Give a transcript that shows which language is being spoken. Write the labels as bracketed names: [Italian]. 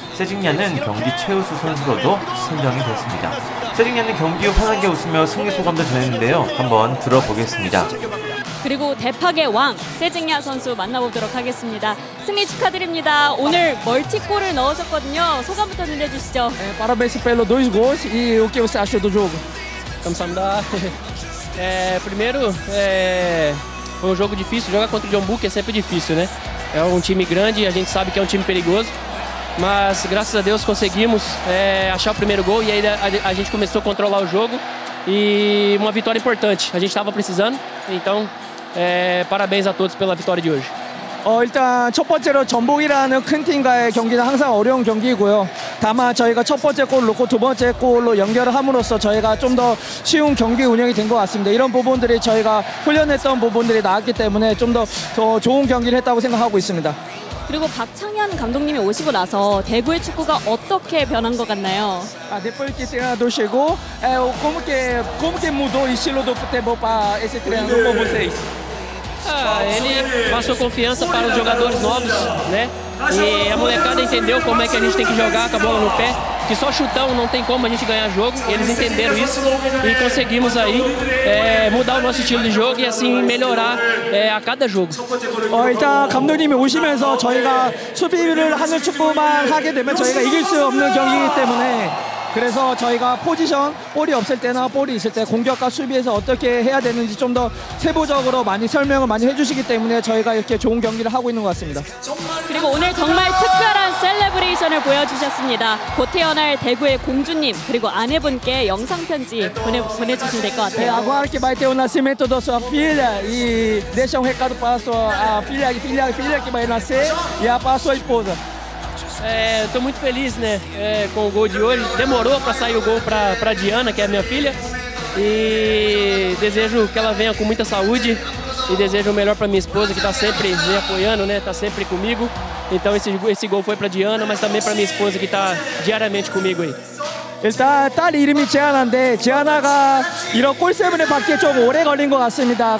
[Korean] 세징야는 경기 최우수 선수로도 선정이 됐습니다. 세징야는 경기 후 환하게 웃으며 승리 소감도 전했는데요. 한번 들어보겠습니다. 그리고 대파괴 왕 세징야 선수 만나보도록 하겠습니다. 승리 축하드립니다. 오늘 멀티골을 넣으셨거든요. 소감부터 들려주시죠. [Portuguese] 네, parabéns pelo dois gols e o que você achou do jogo? [Korean] 감사합니다. [Portuguese] primeiro, foi jogo difícil. Jogar contra o Jambuque é sempre difícil, né? É time grande, a gente sabe que é time perigoso. Mas graças a Deus conseguimos achar o primeiro gol e aí a gente começou a controlar o jogo. E uma vitória importante, a gente estava precisando. Então, parabéns a todos pela vitória de hoje. [Korean] 일단 첫 번째로 전북이라는 큰 팀과의 경기는 항상 어려운 경기이고요. 다만 저희가 첫 번째 골 놓고 두 번째 골로 연결을 함으로써 저희가 좀 더 쉬운 경기 운영이 된 것 같습니다. 이런 부분들이 저희가 훈련했던 부분들이 나왔기 때문에 좀 더 좋은 경기를 했다고 생각하고 있습니다. 그리고 박창현 감독님이 오시고 나서 대구의 축구가 어떻게 변한 것 같나요? [Portuguese] 아, depois que treinador chegou, como que mudou o estilo do futebol para esse treinador com vocês? Ele passou confiança para os jogadores novos, né? E a molecada entendeu como é que a gente tem que jogar com a bola no pé, que só chutão não tem como a gente ganhar jogo. Eles entenderam isso e conseguimos aí mudar o nosso estilo de jogo e assim melhorar a cada jogo. [Korean] 일단 감독님이 오시면서 저희가 수비를 하는 축구만 하게 되면 저희가 이길 수 없는 경기이기 때문에 그래서 저희가 포지션, 볼이 없을 때나 볼이 있을 때 공격과 수비에서 어떻게 해야 되는지 좀 더 세부적으로 많이 설명을 많이 해주시기 때문에 저희가 이렇게 좋은 경기를 하고 있는 것 같습니다. 그리고 오늘 정말 특별한 셀레브레이션을 보여주셨습니다. 곧 태어날 대구의 공주님 그리고 아내분께 영상 편지 보내주시면 될 것 같아요. [Portuguese] Agora que vai ter o nascimento da sua filha e deixa um recado para sua filha que vai nascer e para sua esposa. Estou muito feliz, né, com o gol de hoje. Demorou para sair o gol para Diana, que é a minha filha. E desejo que ela venha com muita saúde. E desejo o melhor para minha esposa, que está sempre me apoiando, né, está sempre comigo. Então esse gol foi para Diana, mas também para minha esposa, que está diariamente comigo aí. [Korean] 일단 딸 이름이 지아나인데 지아나가 이런 골 때문에 밖에 좀 오래 걸린 것 같습니다.